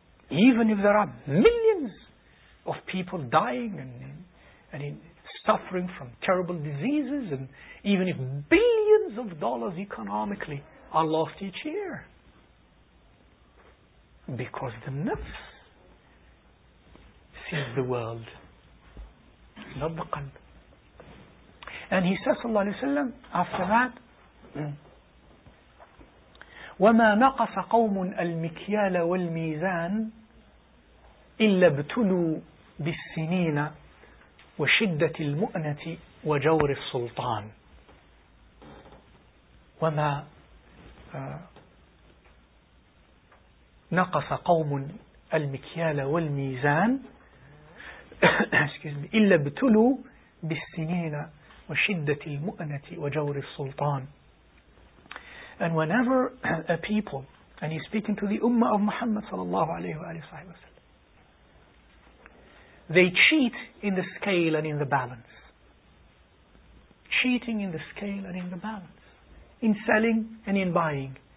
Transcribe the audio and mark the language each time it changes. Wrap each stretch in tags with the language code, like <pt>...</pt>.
<en>Even if there are millions of people dying and in suffering from terrible diseases, and even if billions of dollars economically are lost each year, because the nafs sees the world, not the qalb. And he says, sallallahu alayhi wa sallam, after that,</en> <ar>وَمَا نَقَصَ قَوْمٌ أَلْمِكْيَالَ وَالْمِيزَانِ إِلَّا ابْتُلُوا بِالسِّنِينَ وَشِدَّةِ الْمُؤْنَةِ وَجَوْرِ السُّلْطَانِ وَمَا نَقَصَ قَوْمٌ أَلْمِكْيَالَ وَالْمِيزَانِ</ar> <en>excuse me,</en> <ar>إِلَّا ابْتُلُوا بِالسِّنِينَ وَشِدَّةِ الْمُؤْنَةِ وَجَوْرِ السُّلْطَانِ.</ar> <en>And whenever a people, and he's speaking to the Ummah of Muhammad sallallahu alayhi wa sallam, they cheat in the scale and in the balance. Cheating in the scale and in the balance. In selling and in buying.</en>